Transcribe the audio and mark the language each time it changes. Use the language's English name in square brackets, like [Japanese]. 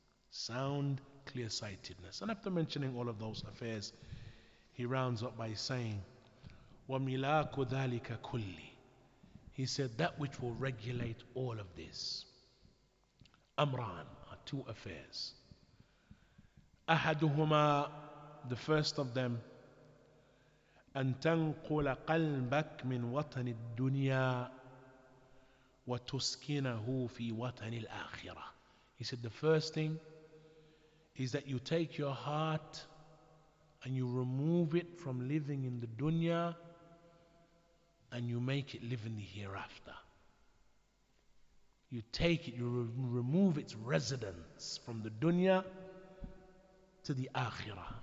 [English] Sound clear-sightedness. And after mentioning all of those affairs, he rounds up by saying, [Arabic] وَمِلَاكُ ذَلِكَ كُلِّ. [English] He said, that which will regulate all of this, amran, are two affairs. [Arabic] أحدهما, [English] the first of them, [Arabic] أن تنقل قلبك من وطن الدنيا وتسكنه في وطن الآخرة. [English] He said the first thing is that you take your heart and you remove it from living in the dunya and you make it live in the hereafter. You take it, you remove its residence from the dunya to the akhirah.